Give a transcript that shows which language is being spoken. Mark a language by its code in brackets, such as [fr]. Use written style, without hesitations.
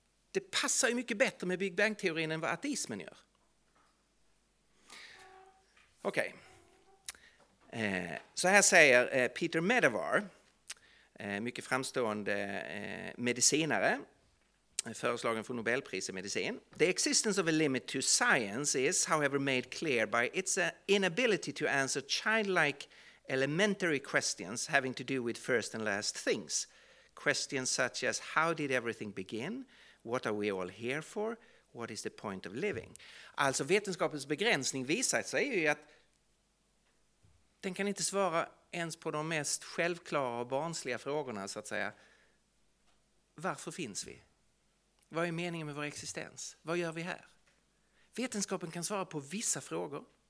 [sv] Det passar ju mycket bättre med Big Bang-teorin än vad ateismen gör. Okej. Så här säger Peter Medavar, mycket framstående medicinare, föreslagen för Nobelpriset i medicin. [en] The existence of a limit to science is, however, made clear by its inability to answer childlike elementary questions having to do with first and last things. Questions such as, how did everything begin? What are we all here for? What is the point of living? [sv] Alltså vetenskapens begränsning visar sig ju att den kan inte svara ens på de mest självklara och barnsliga frågorna, så att säga. Varför finns vi? Vad är meningen med vår existens? Vad gör vi här? Vetenskapen kan svara på vissa frågor.